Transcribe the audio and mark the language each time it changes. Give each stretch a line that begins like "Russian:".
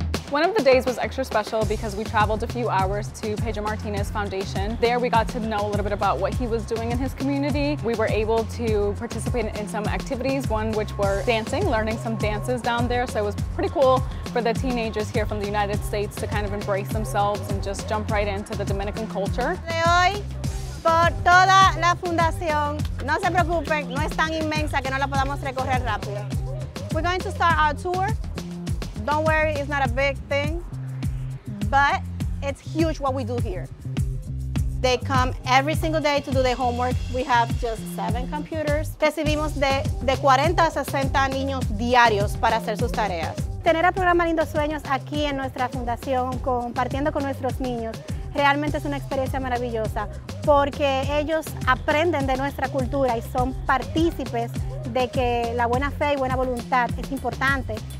English: One of the days was extra special because we traveled a few hours to Pedro Martinez Foundation. There we got to know a little bit about what he was doing in his community. We were able to participate in some activities, one which were dancing, learning some dances down there. So it was pretty cool for the teenagers here from the United States to kind of embrace themselves and just jump right into the Dominican culture.
Spanish: Hoy, por toda la fundación, no se preocupen, no es tan inmensa que no la podamos recorrer rápido.
English: We're going to start our tour. Don't worry, it's not a big thing, but it's huge what we do here. They come every single day to do their homework. We have just 7 computers.
Spanish: Recibimos de 40 a 60 niños diarios para hacer sus tareas. Tener el programa Lindos Sueños aquí en nuestra fundación, compartiendo con nuestros niños, realmente es una experiencia maravillosa porque ellos aprenden de nuestra cultura y son partícipes de que la buena fe y buena voluntad es importante.